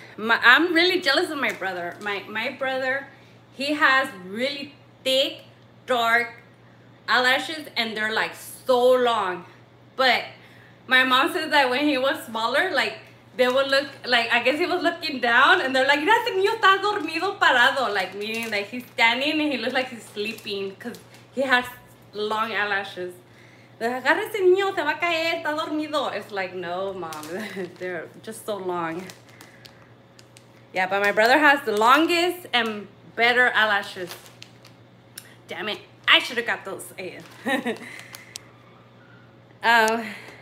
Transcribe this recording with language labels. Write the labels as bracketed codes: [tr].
[en] I'm really jealous of my brother. My brother, he has really thick, dark eyelashes and they're like so long. But my mom says that when he was smaller, like they would look like, I guess he was looking down and they're like, [es] mira, ese niño está dormido parado. [en] Like meaning like he's standing and he looks like he's sleeping because he has long eyelashes. [es] Agarra ese niño, se va a caer, está dormido. [en] It's like, no, mom, they're just so long. Yeah, but my brother has the longest and better eyelashes. Damn it, I should have got those. Yeah.